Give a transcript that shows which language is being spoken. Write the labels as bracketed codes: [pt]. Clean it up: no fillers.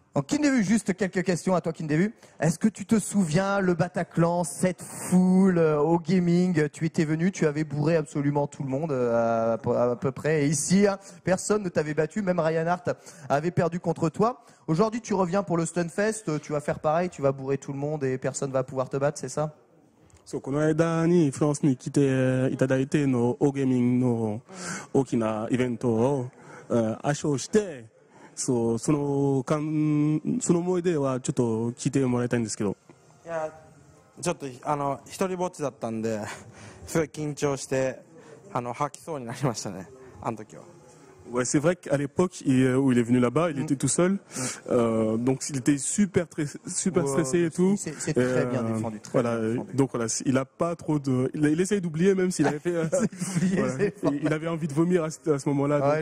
[fr] Kindevu, juste quelques questions à toi, Kindevu. Est-ce que tu te souviens le Bataclan, cette foule au gaming? Tu étais venu, tu avais bourré absolument tout le monde à peu près. Et ici, personne ne t'avait battu, même Ryan Hart avait perdu contre toi. Aujourd'hui, tu reviens pour le Stunfest, tu vas faire pareil, tu vas bourrer tout le monde et personne ne va pouvoir te battre, c'est ça? [ja] そう、この間にフランスに来ていただいてのオーゲーミングの大きなイベントを圧勝して、そう、その思い出はちょっと聞いてもらいたいんですけど。いや、ちょっと一人ぼっちだったんで、すごい緊張して吐きそうになりましたね、あの時は。 [fr] Ouais, c'est vrai qu'à l'époque où il est venu là-bas, il était tout seul. Donc il était super, super stressé et tout. C'est très bien défendu. Très voilà, bien défendu. Donc voilà, il a pas trop de. Il essayait d'oublier même s'il avait fait. Il avait envie de vomir à ce moment-là.